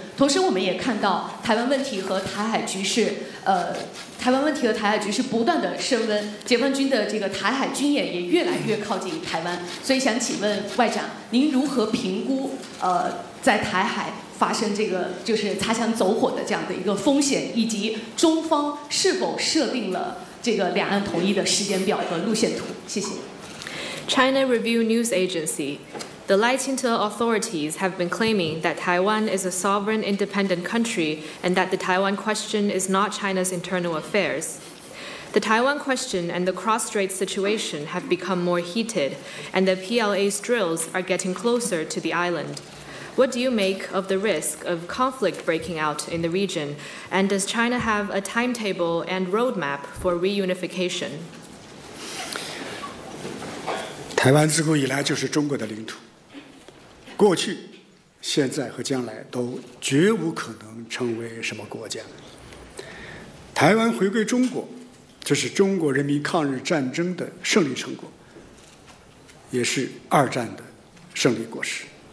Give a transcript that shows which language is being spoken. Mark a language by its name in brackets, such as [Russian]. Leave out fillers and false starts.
[Chinese] 同时，我们也看到台湾问题和台海局势不断的升温，解放军的这个台海军演也越来越靠近台湾。所以想请问外长，您如何评估在台海发生这个就是擦枪走火的这样的一个风险，以及中方是否设定了这个两岸统一的时间表和路线图？谢谢。 [English] China Review News Agency. The Leicester authorities have been claiming that Taiwan is a sovereign independent country and that the Taiwan question is not China's internal affairs. The Taiwan question and the cross-strait situation have become more heated, and the PLA's drills are getting closer to the island. What do you make of the risk of conflict breaking out in the region, and does China have a timetable and roadmap for reunification? [Chinese] 台湾自古以来就是中国的领土，过去、现在和将来都绝无可能成为什么国家。台湾回归中国，这是中国人民抗日战争的胜利成果，也是二战的胜利果实。